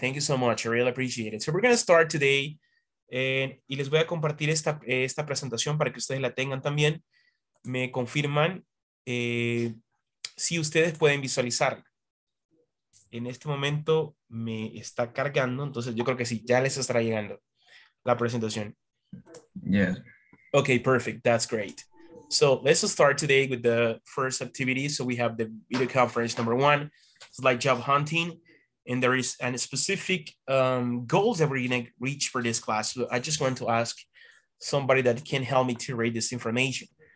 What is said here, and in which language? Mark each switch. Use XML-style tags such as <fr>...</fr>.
<en>Thank you so much. I really appreciate it. So we're going to start today.</en> <es>Y les voy a compartir esta presentación para que ustedes la tengan también. Me confirman si ustedes pueden visualizar. En este momento me está cargando, entonces yo creo que sí, ya les estará llegando la presentación.</es> <en>Yes. Okay, perfect. That's great. So let's start today with the first activity. So we have the video conference number one. It's like job hunting. And there is a specific goals that we're going to reach for this class. So I just want to ask somebody that can help me to read this information.</en>